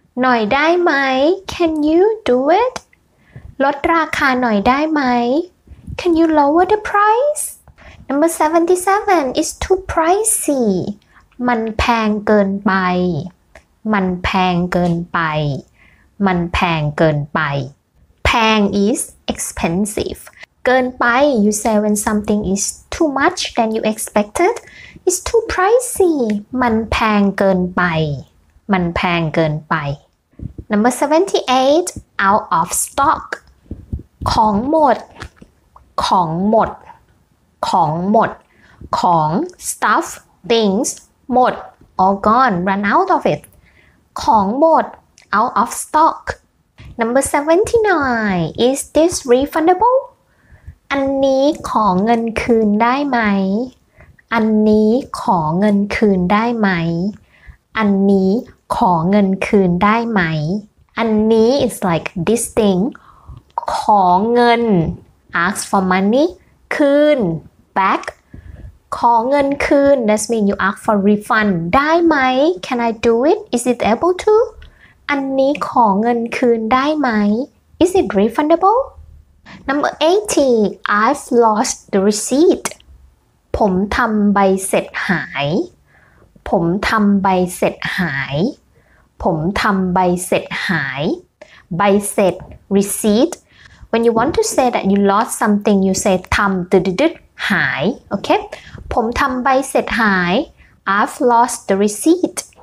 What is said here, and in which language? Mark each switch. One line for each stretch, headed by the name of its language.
Thai: หน่อยได้ไหม
English: Can you do it?
Thai: ลดราคาหน่อยได้ไหม
English: Can you lower the price? Number 77 is too pricey.
Thai: มันแพงเกินไปมันแพงเกินไปมันแพงเกินไป
English: แพง is expensive
Thai: เกินไป
English: you say when something is too much than you expected it's too pricey
Thai: มันแพงเกินไปมันแพงเกินไป
English: number 78 out of stock
Thai: ของหมดของหมดของหมดของ
English: stuff thingsหมด all gone run out of it
Thai: ของหมด
English: out of stock number 79 is this refundable
Thai: อันนี้ขอเงินคืนได้ไหมอันนี้ขอเงินคืนได้ไหมอันนี้ขอเงินคืนได้ไหม
English: อันนี้ is like this thing
Thai: ขอเงิน
English: ask for money คืน
Thai: backขอเงินคืน
English: that means you ask for refund
Thai: ได้ไหม
English: can I do it is it able to
Thai: อันนี้ขอเงินคืนได้ไหม
English: is it refundable number 80 I've lost the receipt
Thai: ผมทำใบเสร็จหายผมทำใบเสร็จหายผมทำใบเสร็จหาย
English: ใบเสร็จ receipt when you want to say that you lost something you say
Thai: ทำดืดหายโอเคผมทำใบเสร็จหาย
English: I've lost the receipt